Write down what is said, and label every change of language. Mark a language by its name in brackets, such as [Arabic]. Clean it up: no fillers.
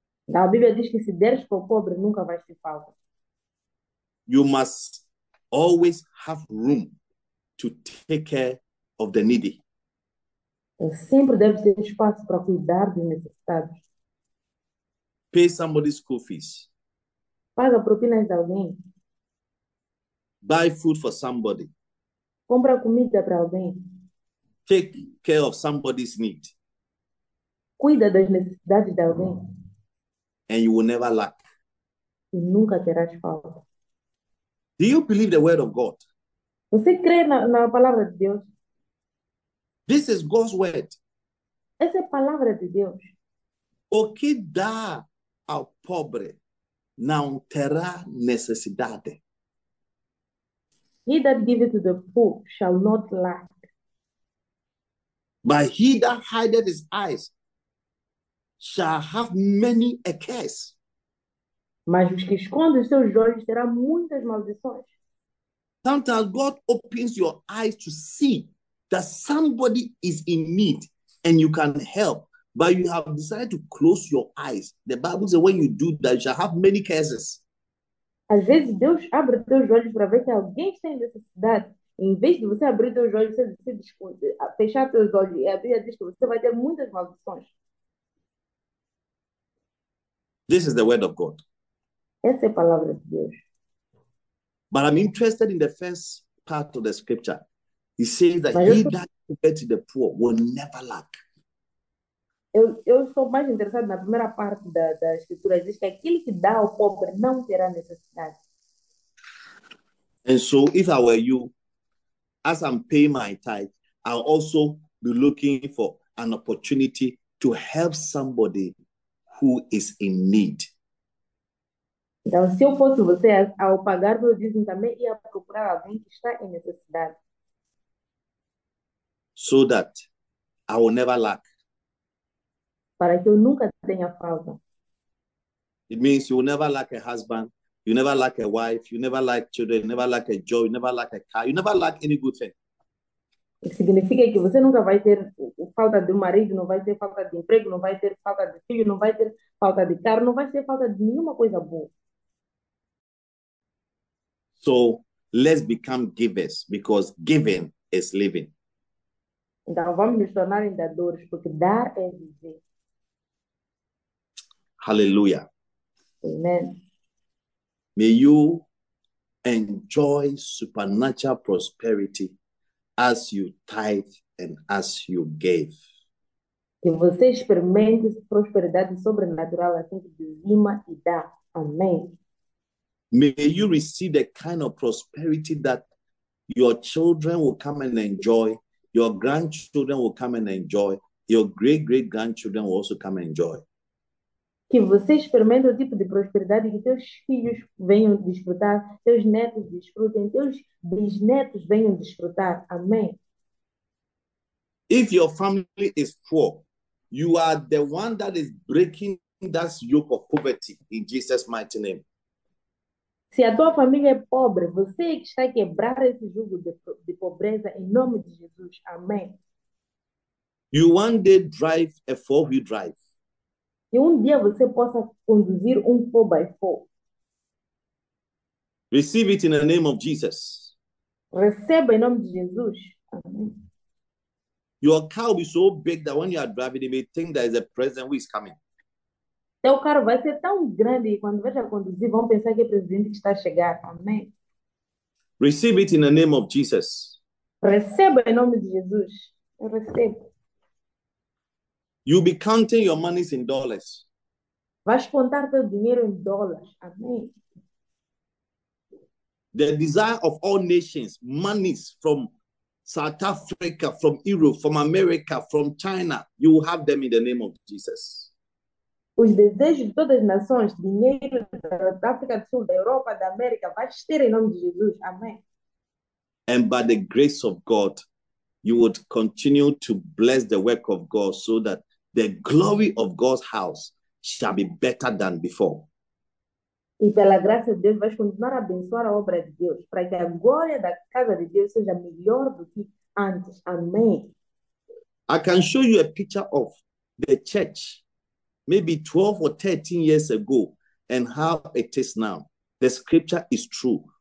[Portuguese] Então, a Bíblia diz que se deres para o pobre, nunca vai ter falta. [English] You must always have room to take care of the needy. [Portuguese] Sempre deve ter espaço para cuidar dos necessitados. [English] Pay somebody's school fees. [Portuguese] Paga propinas de alguém. [English] Buy food for somebody. [Portuguese] Compra comida para alguém. [English] Take care of somebody's need. [Portuguese] Cuida das necessidades de alguém. [English] And you will never lack. [Portuguese] E nunca terás falta. [English] Do you believe the word of God? [Portuguese] Você crê na palavra de Deus? [English] This is God's word. [Portuguese] Essa é a palavra de Deus. O que dá ao pobre não terá necessidade. [English] He that giveth to the poor shall not lack. But he that hideth his eyes shall have many a curse. [Portuguese] Mas os que escondem os seus olhos terão muitas maldições. [English] Sometimes God opens your eyes to see that somebody is in need and you can help, but you have decided to close your eyes. The Bible says, when you do that, you shall have many curses. [Portuguese] Às vezes Deus abre teus olhos para ver que alguém está em necessidade. Em vez de você abrir teus olhos, você esconde, fechar teus olhos e abrir a vista, você vai ter muitas maldições. [English] This is the word of God. [Portuguese] Essa é a palavra de Deus. [English] But I'm interested in the first part of the scripture. He says that [Portuguese] Mas [English] he that giveth to the poor will never lack. [Portuguese] eu estou mais interessado na primeira parte da escritura. Diz que aquele que dá ao pobre não terá necessidade. [English] And so, if I were you, as I'm paying my tithe, I'll also be looking for an opportunity to help somebody who is in need. [Portuguese] Então, se eu fosse você, ao pagar meu dízimo também, ia procurar alguém que está em necessidade. [English] So that I will never lack. [Portuguese] Para que eu nunca tenha falta. [English] It means you will never lack a husband, you never lack a wife, you never lack children, you never lack a job, you never lack a car, you never lack any good thing. [Portuguese] Isso significa que você nunca vai ter falta de marido, não vai ter falta de emprego, não vai ter falta de filho, não vai ter falta de carro, não vai ter falta de nenhuma coisa boa. [English] So let's become givers because giving is living. [Portuguese] Então vamos nos tornar dadores, porque dar é viver. [English] Hallelujah. Amen. May you enjoy supernatural prosperity as you tithe and as you give. [Portuguese] Que você experimente prosperidade sobrenatural assim que dizima e dá. Amém. [English] May you receive the kind of prosperity that your children will come and enjoy, your grandchildren will come and enjoy, your great-great-grandchildren will also come and enjoy. [Portuguese] Que você experimente o tipo de prosperidade que teus filhos venham desfrutar, teus netos desfrutem, teus bisnetos venham desfrutar. Amém. [English] If your family is poor, you are the one that is breaking that yoke of poverty in Jesus' mighty name. [Portuguese] Se a tua família é pobre, você é que está a quebrar esse jugo de pobreza em nome de Jesus. Amém. [English] You one day drive a four-wheel drive. [Portuguese] Que um dia você possa conduzir um 4x4. [English] Receive it in the name of Jesus. [Portuguese] Receba em nome de Jesus. Amém. [English] Your car will be so big that when you are driving, you may think there is a president who is coming. [Portuguese] Teu carro vai ser tão grande e quando veja conduzir, vão pensar que é o presidente que está a chegar. Amém. [English] Receive it in the name of Jesus. [Portuguese] Receba em nome de Jesus. Eu recebo. [English] You'll be counting your monies in dollars. [Portuguese] Vais contar teu dinheiro em dólares. Amém. [English] The desire of all nations, monies from South Africa, from Europe, from America, from China, you will have them in the name of Jesus. [Portuguese] Os desejos de todas as nações, dinheiro da África do Sul, da Europa, da América, vais ter em nome de Jesus. Amém. [English] And by the grace of God, you would continue to bless the work of God so that the glory of God's house shall be better than before. [Portuguese] E pela graça de Deus, vais continuar a abençoar a obra de Deus, para que a glória da casa de Deus seja melhor do que antes. Amém. [English] I can show you a picture of the church, maybe 12 or 13 years ago, and how it is now. The scripture is true.